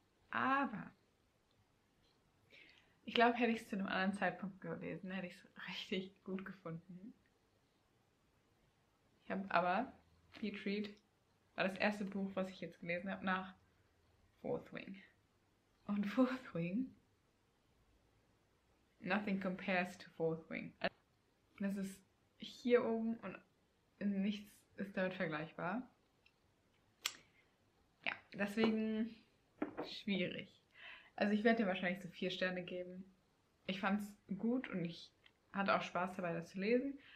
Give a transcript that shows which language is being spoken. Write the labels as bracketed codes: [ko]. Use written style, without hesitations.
[de] Aber ich glaube, hätte ich es zu einem anderen Zeitpunkt gelesen, hätte ich es richtig gut gefunden. Ich habe aber Beach Read war das erste Buch, was ich jetzt gelesen habe nach Fourth Wing. [en] Und Fourth Wing, nothing compares to Fourth Wing. [de] Das ist hier oben und nichts ist damit vergleichbar. Ja, deswegen schwierig. Also ich werde dir wahrscheinlich so 4 Sterne geben. Ich fand es gut und ich hatte auch Spaß dabei, das zu lesen.